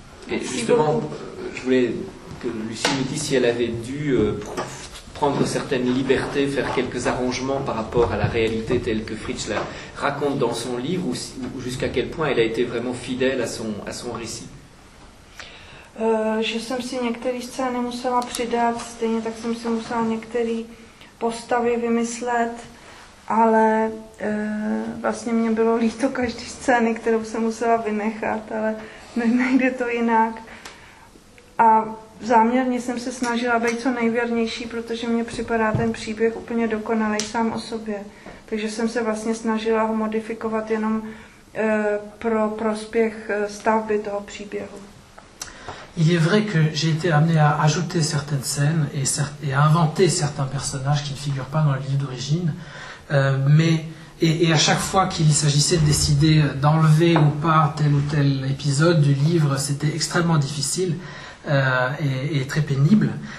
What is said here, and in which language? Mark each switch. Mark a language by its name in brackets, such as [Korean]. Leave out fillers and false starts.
[French] Et justement, je voulais que Lucie nous dise si elle avait dû prendre certaines libertés, faire quelques arrangements par rapport à la réalité telle que Fritsch la raconte dans son livre, ou jusqu'à quel point elle a été vraiment fidèle à son récit. [Czech] Že jsem si některé scény musela přidat, stejně tak jsem si musela některé postavy vymyslet, ale vlastně mě bylo líto každé scény, kterou jsem musela vynechat, ale nejde to jinak. A záměrně jsem se snažila být co nejvěrnější, protože mně připadá ten příběh úplně dokonalý sám o sobě. Takže jsem se vlastně snažila ho modifikovat jenom pro prospěch stavby toho příběhu. [French] Il est vrai que j'ai été amené à ajouter certaines scènes et à inventer certains personnages qui ne figurent pas dans le livre d'origine. Mais à chaque fois qu'il s'agissait de décider d'enlever ou pas tel ou tel épisode du livre, c'était extrêmement difficile et très pénible.